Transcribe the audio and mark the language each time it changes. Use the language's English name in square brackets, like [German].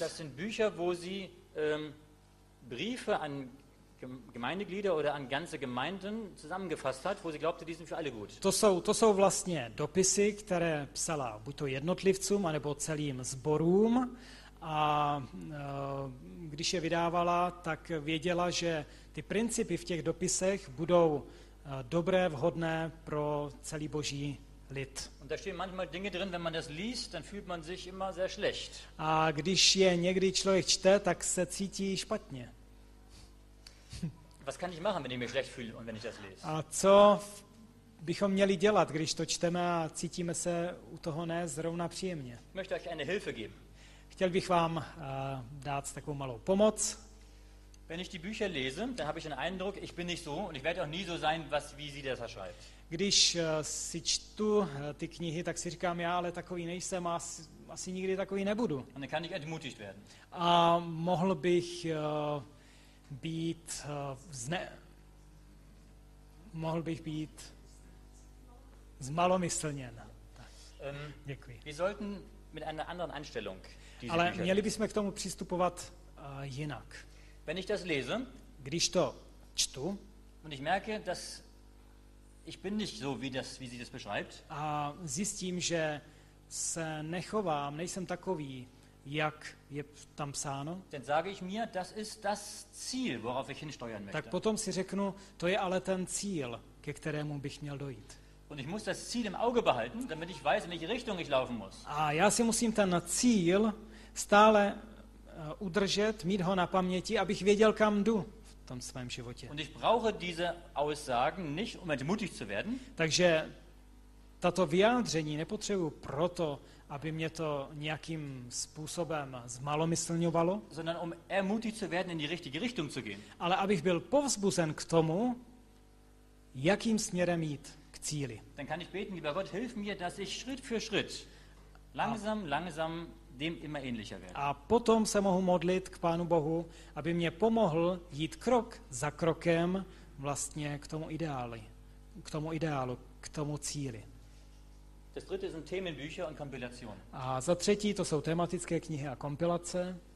[German] das sind Bücher, wo sie Briefe an Gemeindeglieder oder an ganze Gemeinden zusammengefasst hat, wo sie glaubte, die sind für alle gut. [Czech] To jsou vlastně dopisy, které psala buďto jednotlivcům anebo celým sborům, a když je vydávala, tak věděla, že ty principy v těch dopisech budou dobré, vhodné pro celý boží lid. [German] Und da stehen manchmal Dinge drin, wenn man das liest, dann fühlt man sich immer sehr schlecht. [Czech] A když je někdy člověk čte, tak se cítí špatně. [German] Was kann ich machen, wenn ich mich schlecht fühle und wenn ich das lese? [Czech] A co bychom měli dělat, když to čteme a cítíme se u toho ne zrovna příjemně? [German] Ich möchte euch eine Hilfe geben. [Czech] Chtěl bych vám dát takovou malou pomoc. [German] Wenn ich die Bücher lese, dann habe ich den Eindruck, ich bin nicht so und ich werde auch nie so sein, was wie sie das erschreibt. [Czech] Když si čtu ty knihy, tak si říkám, já ale takový nejsem a asi nikdy takový nebudu. [German] Und dann kann ich entmutigt werden. [Czech] A mohl bych být zmalomyslněn. Děkuji. [German] Wir sollten mit einer anderen Einstellung diese [Czech] Ale Bücher měli bychom k tomu přistupovat jinak. [German] Wenn ich das lese, [Czech] když to čtu, [German] und ich merke, dass ich bin nicht so, wie sie das beschreibt, [Czech] a zjistím, že se nechovám, nejsem takový, jak je tam psáno, [German] dann sage ich mir, das ist das Ziel, worauf ich hinsteuern möchte. [Czech] Tak potom si řeknu, to je ale ten cíl, ke kterému bych měl dojít. [German] Und ich muss das Ziel im Auge behalten, damit ich weiß, in welche Richtung ich laufen muss. [Czech] A já si musím ten cíl stále udržet, mít ho na paměti, abych věděl, kam jdu v tom svém životě. [German] Und ich brauche diese Aussagen nicht, um entmutigt zu werden. [Czech] Takže tato vyjádření nepotřebuji proto, aby mě to nějakým způsobem zmalomyslňovalo, [German] sondern um ermutigt zu werden, in die richtige Richtung zu gehen. [Czech] Ale abych byl povzbuzen k tomu, jakým směrem jít k cíli. [German] Dann kann ich beten, lieber Gott, hilf mir, dass ich Schritt für Schritt langsam dem immer ähnlicher werde. [Czech] A potom se mohu modlit k Pánu Bohu, aby mě pomohl jít krok za krokem vlastně k tomu ideálu, k tomu cíli. [German] Das dritte sind Themenbücher und Kompilationen. [Czech] A za třetí to jsou tematické knihy a kompilace.